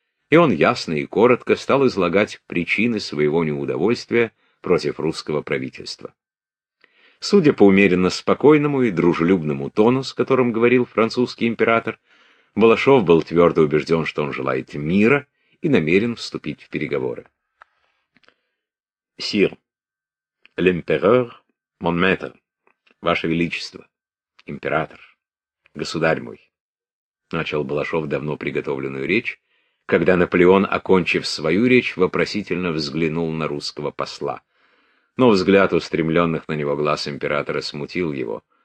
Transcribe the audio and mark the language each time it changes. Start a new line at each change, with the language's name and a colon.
Russian: И он ясно и коротко стал излагать причины своего неудовольствия против русского правительства. Судя по умеренно спокойному и дружелюбному тону, с которым говорил французский император, Балашов был твердо убежден, что он желает мира и намерен вступить в переговоры. «Сир,
French: l'empereur, mon maître.
Russian: Ваше Величество, император, государь мой», — начал Балашов давно приготовленную речь, когда Наполеон, окончив свою речь, вопросительно взглянул на русского посла. Но взгляд устремленных на него глаз императора смутил его.